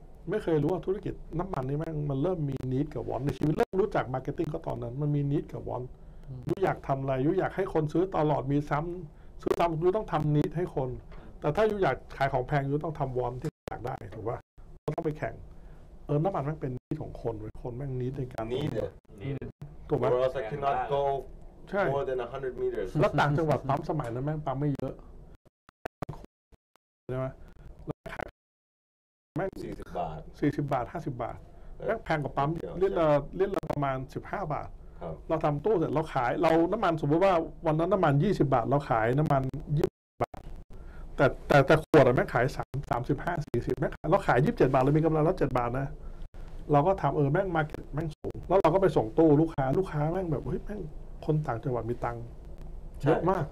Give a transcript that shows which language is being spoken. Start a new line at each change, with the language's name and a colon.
Thai: ไม่เคยรู้ว่าธุรกิจน้ำมันนี่แม่งมันเริ่มมีนีดกับวอนในชีวิตเริ่มรู้จักมาร์เก็ตติ้งก็ตอนนั้นมันมีนีดกับวอนยูอยากทำอะไรยูอยากให้คนซื้อตลอดมีซ้ำซื้อซ้ำยูต้องทำนีดให้คนแต่ถ้ายูอยากขายของแพงยูต้องทำวอนที่อยากได้ถูกป่ะก็ต้องไปแข่งเออน้ำมันแม่งเป็นนีดของคนเว้ยคนแม่งนีดในการ นีด ถูกป่ะ
English: Or else I cannot go more than 100 meters
Thai: แล้วต่างจังหวัดปั๊มสมัยนั้นแม่งปั๊มไม่เยอะใช่ไหม แม่ง40 บาท 50 บาท 50บาทแม่งแพงกว่าปั๊มเลี้ยนละเลี้ยนละประมาณ15บาท ครับ เราทำตู้เสร็จเราขายเราน้ำมันสมมติว่าวันนั้นน้ำมัน20บาทเราขายน้ำมัน20บาทแต่ขวดแม่งขาย3 35 40แม่งเราขาย27บาทเรามีกำไรแล้ว7บาทนะเราก็ทำเออแม่งมาร์เก็ตแม่งสูงแล้วเราก็ไปส่งตู้ลูกค้าแม่งแบบเฮ้ยแม่งคนต่างจังหวัดมีตังค์เยอะมาก